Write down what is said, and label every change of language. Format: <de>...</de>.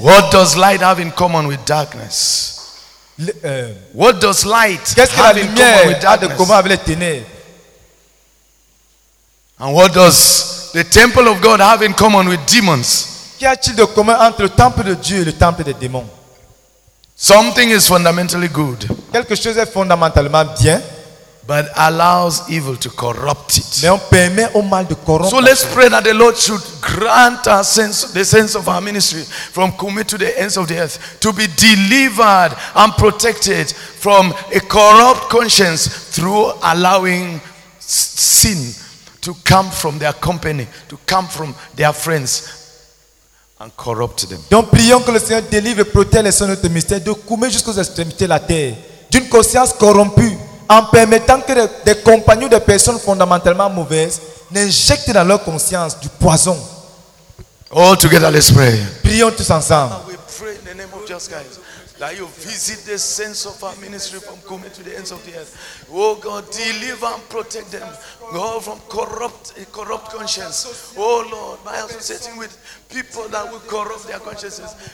<en>What does light have in common with darkness? What does light have in common with darkness?</en> <fr>Comment avec les ténèbres?</fr> <en>And what does the temple of God have in common with demons?</en> <fr>Qu'y a-t-il de commun entre le temple de Dieu et le temple des démons?</fr> <en>Something is fundamentally good.</en> <fr>Quelque chose est fondamentalement bien.</fr> <en>But allows evil to corrupt it.</en> <fr>Mais on permet au mal de corrompre.</fr> <en>So let's pray that the Lord should grant our sense, the sense of our ministry from Kumi to the ends of the earth to be delivered and protected from a corrupt conscience through allowing sin to come from their company, to come from their friends and corrupt them.</en> <fr>Donc prions que le Seigneur délivre et protège les saints de notre ministère de Kumi jusqu'aux extrémités de la terre d'une conscience corrompue. En permettant que des compagnons, des personnes fondamentalement mauvaises, n'injectent dans leur conscience du poison.</fr> <en>All together, let's pray.</en> <fr>Prions tous ensemble.</fr> <en>We pray in the name of Jesus Christ that you visit the saints of our ministry from Kumi to the ends of the earth. Oh God, deliver and protect them, God, from corrupt conscience. Oh Lord, by associating with people that will corrupt their consciences.</en>